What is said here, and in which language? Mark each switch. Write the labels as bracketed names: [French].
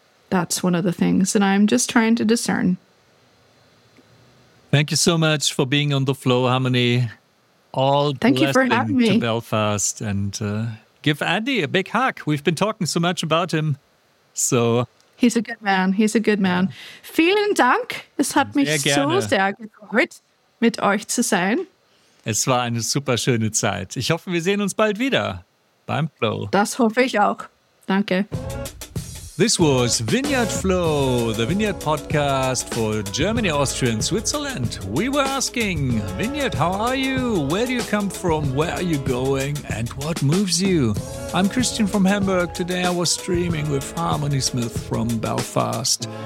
[English] That's one of the things that I'm just trying to discern. Thank you so much for being on The Flow, Harmony. All thank you for having me to Belfast. And give Andy a big hug. We've been talking so much about him. So he's a good man. He's a good man. [German] Vielen Dank. Es hat mich so sehr gefreut, mit euch zu sein. Es war eine super schöne Zeit. Ich hoffe, wir sehen uns bald wieder beim Flow. Das hoffe ich auch. Danke. [English] This was Vineyard Flow, the Vineyard podcast for Germany, Austria, and Switzerland. We were asking, Vineyard, how are you? Where do you come from? Where are you going? And what moves you? I'm Christian from Hamburg. Today I was streaming with Harmony Smith from Belfast.